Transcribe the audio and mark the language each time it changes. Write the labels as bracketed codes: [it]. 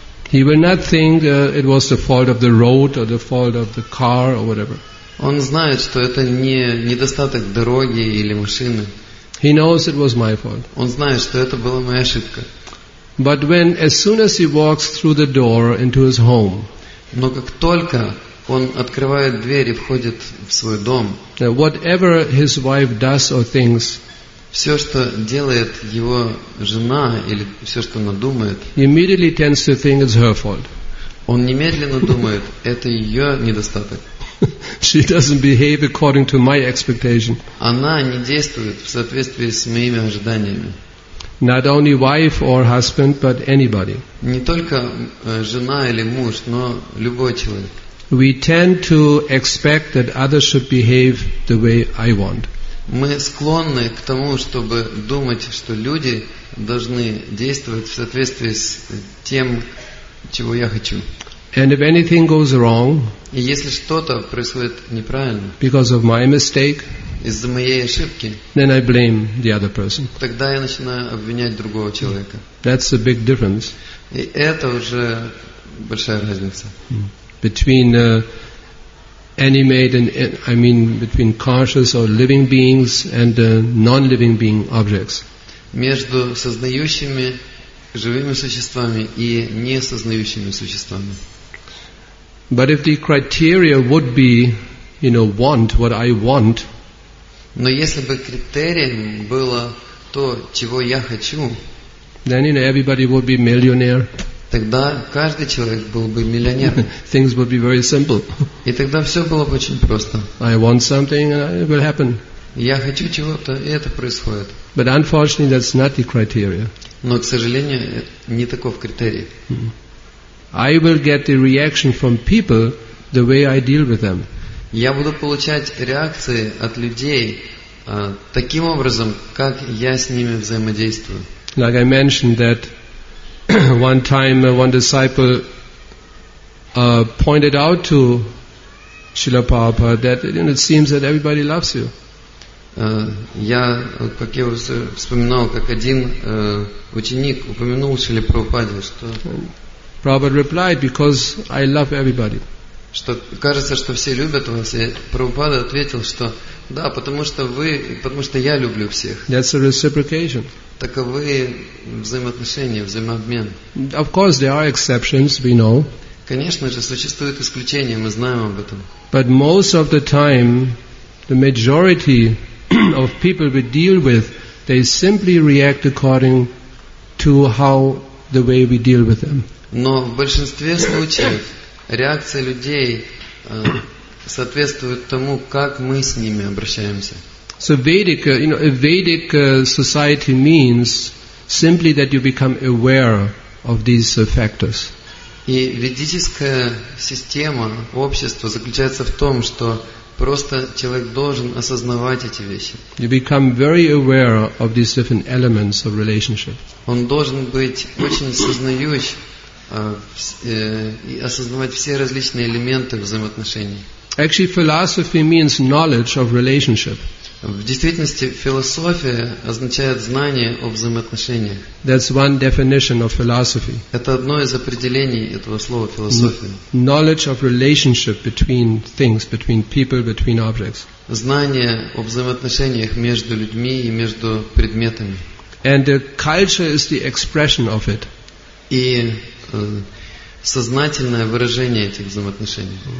[en] He will not think it was the fault of the road or the fault of the car or whatever. [ru] Он знает, что это не недостаток дороги или машины. [en] He knows it was my fault. [ru] Он знает, что это была моя ошибка. [en] But when, as soon as he walks through the door into his home, [ru] но как только он открывает дверь и входит в свой дом, [en] whatever his wife does or thinks, [ru] все, что делает его жена или все, что она думает, [en] immediately tends to think it's her fault. [ru] Он немедленно думает, это ее недостаток. [en] She doesn't behave according to my expectation. [ru] Она не действует в соответствии с моими ожиданиями. [en] Not only wife or husband, but anybody. [ru] Не только жена или муж, но любой человек. [en] We tend to expect that others should behave the way I want. [ru] Мы склонны к тому, чтобы думать, что люди должны действовать в соответствии с тем, чего я хочу. [en] And if anything goes wrong, [ru] и если что-то происходит неправильно, [en] because of my mistake, [ru] из-за моей ошибки, [en] then I blame the other person. [ru] Тогда я начинаю обвинять другого человека. [en] That's a big difference. [ru] И это уже большая разница. [en] Between animate and I mean between conscious or living beings and non-living being objects. [ru] Между сознающими живыми существами и несознающими существами. [en] But if the criteria would be, you know, want what I want, [ru] но если бы критерием было то, чего я хочу, [en] then, you know, everybody would be millionaire. [ru] Тогда каждый человек был бы миллионером. [en] Things would be very simple. [ru] И тогда все было бы очень просто. [en] I want something and it will happen. [ru] Я хочу чего-то, и это происходит. [en] But unfortunately, that's not the criteria. [ru] Но, к сожалению, не таков критерий. [en] I will get the reaction from people the way I deal with them. [ru] Я буду получать реакции от людей таким образом, как я с ними взаимодействую. [en] Like I mentioned that one time one disciple pointed out to Srila Prabhupada that, you know, it seems that everybody loves you. [ru] Я, как я уже вспоминал, как один ученик упомянул Шриле Прабхупаде, что [en] Prabhupada replied, because I love everybody. [ru] Что кажется, что все любят вас, и Прабхупада ответил, что да, потому что я люблю всех. [en] That's a reciprocation. [ru] Таковы взаимоотношения, взаимообмен. [en] Of course, there are exceptions, we know. [ru] Конечно же, существуют исключения, мы знаем об этом. [en] But most of the time, the majority of people we deal with, they simply react according to how the way we deal with them. [ru] Но в большинстве случаев реакция людей соответствует тому, как мы с ними обращаемся. [en] So Vedic, you know, a Vedic society means simply that you become aware of these factors. [ru] И ведическая система общества заключается в том, что просто человек должен осознавать эти вещи. [en] You become very aware of these different elements of relationship. [ru] Он должен быть очень сознающим и осознавать все различные элементы взаимоотношений. [en] Actually, philosophy means knowledge of relationship. [ru] В действительности, философия означает знание о взаимоотношениях. [en] That's one definition of philosophy. [ru] Это одно из определений этого слова философия. [en] Knowledge of relationship between things, between people, between objects. [ru] Знание о взаимоотношениях между людьми и между предметами. [en] And the culture is the expression of it. [ru] И сознательное выражение этих взаимоотношений.